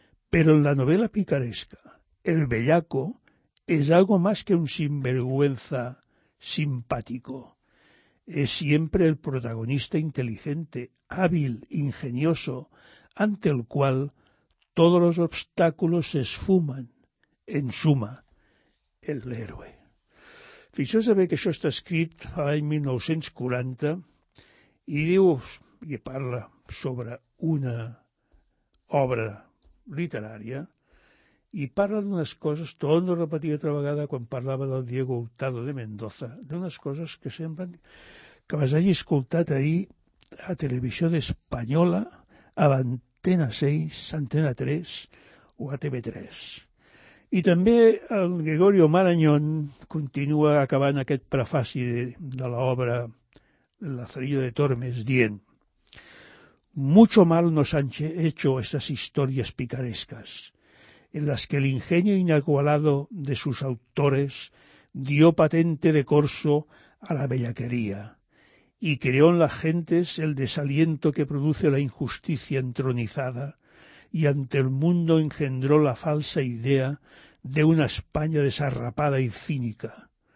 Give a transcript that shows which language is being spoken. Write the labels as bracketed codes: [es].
[es] Pero en la novela picaresca, el bellaco es algo más que un sinvergüenza simpático. Es siempre el protagonista inteligente, hábil, ingenioso, ante el cual todos los obstáculos se esfuman. En suma, el héroe. [ca] Fixeu-vos bé que això està escrit l'any 1940 i diu i parla sobre una obra literària i parla d'unes coses, torno a repetir altra vegada quan parlava del Diego Hurtado de Mendoza, d'unes coses que semblen que les hagi escoltat ahir a Televisió d'Espanyola, a l'Antena 6, Antena 3 o a TV3. I també el Gregorio Marañón continua acabant aquest prefaci de l'obra El Lazarillo de Tormes, dient: [es] «Mucho mal nos han hecho estas historias picarescas, en las que el ingenio inigualado de sus autores dio patente de corso a la bellaquería y creó en las gentes el desaliento que produce la injusticia entronizada, y ante el mundo engendró la falsa idea de una España desarrapada y cínica.